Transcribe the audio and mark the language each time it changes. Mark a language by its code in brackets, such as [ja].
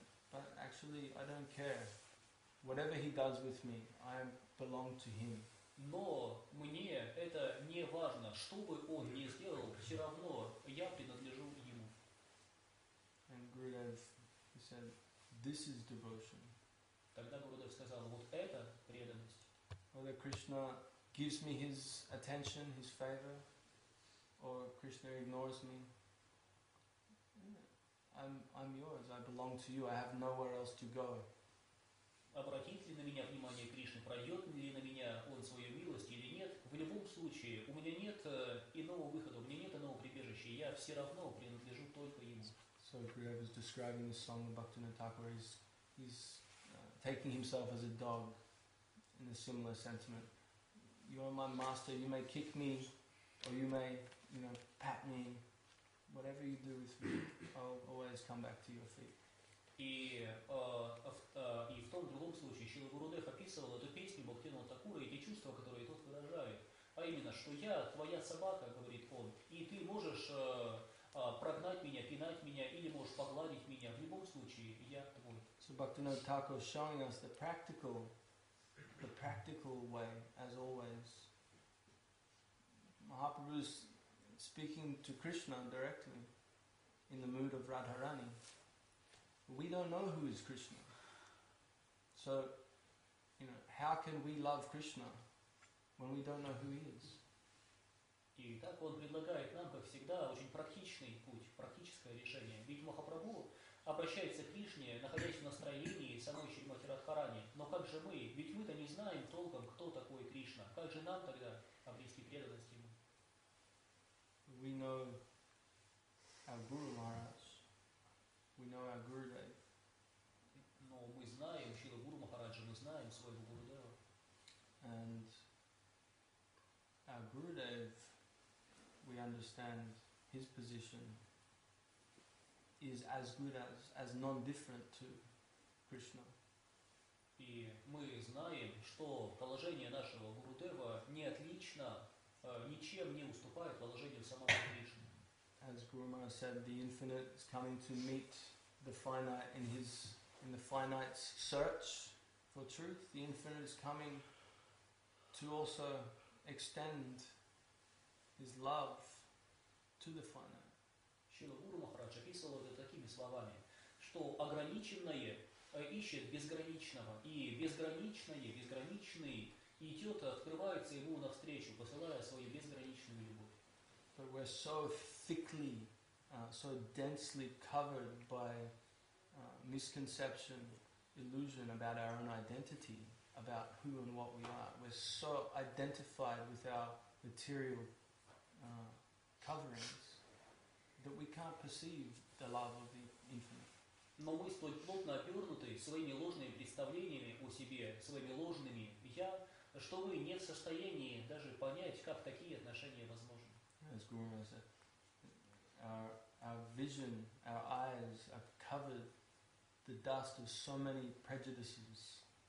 [en] But actually, I don't care. Whatever he does with me, I belong to him. [ru] Но мне это не важно. Что бы он ни сделал, все равно я принадлежу ему. [en] And Gurudev, he said, this is devotion. [ru] Тогда Гурудев сказал, вот это преданность. [en] Whether Krishna gives me his attention, his favor, or Krishna ignores me, I'm yours. I belong to you. I have nowhere else to go. [ru] Обратит ли на меня внимание Кришна? Пройдет ли на меня он свою милость или нет? В любом случае, у меня нет иного выхода. У меня нет иного прибежища. Я все равно принадлежу только ему. [en] So Gurudev is describing this song of Bhaktivinoda Thakur. He's taking himself as a dog in a similar sentiment. You are my master. You may kick me, or you may, you know, pat me. Whatever you do with me, I'll always come back to your feet. [ru] И в том другом случае Шрила Гурудев описывал эту песню Бхактивинода Такура и те чувства, которые тот выражает. А именно, что я твоя собака, говорит он, и ты можешь прогнать меня, пинать меня, или можешь погладить меня. В любом случае, я твой. [en] So Bhaktivinoda Thakur is showing us the practical way, as always. Mahaprabhu's speaking to Krishna directly in the mood of Radharani, we don't know who is Krishna. So, you know, how can we love Krishna when we don't know who he is? [ru] И так он предлагает нам, как всегда, очень практичный путь, практическое решение. Ведь Махапрабху обращается к Кришне, находясь в настроении самой Шримати Радхарани. Но как же мы? Ведь мы-то не знаем толком, кто такой Кришна. Как же нам тогда обрести преданность ему? [en] We know our Guru Maharaj. We know our Gurudev. [ru] Но мы знаем Шрила Гуру Махараджа, мы знаем своего Гурудева. [en] And our Gurudev, we understand his position is as good as non-different to Krishna. [ru] И мы знаем, что положение нашего Гурудева не отлично, ничем не уступает положению самого Кришны. [en] As Guru Maharaj said, the infinite is coming to meet the finite in his in the finite's search for truth. The infinite is coming to also extend his love to the finite. [ru] Шрила Гуру Махарадж описывал это такими словами, что ограниченное ищет безграничного, и безграничное, безграничный идет, открывается ему навстречу, посылая свою безграничную любовь. [en] But we're so thickly, so densely covered by misconception, illusion about our own identity, about who and what we are. We're so identified with our material coverings that we can't perceive the love of the infinite. [ru] Но мы столь плотно обернуты своими ложными представлениями о себе, своими ложными «я», что мы не в состоянии даже понять, как такие отношения возможны. [en] As Guru Maharaj said, our vision, our eyes are covered the dust of so many prejudices.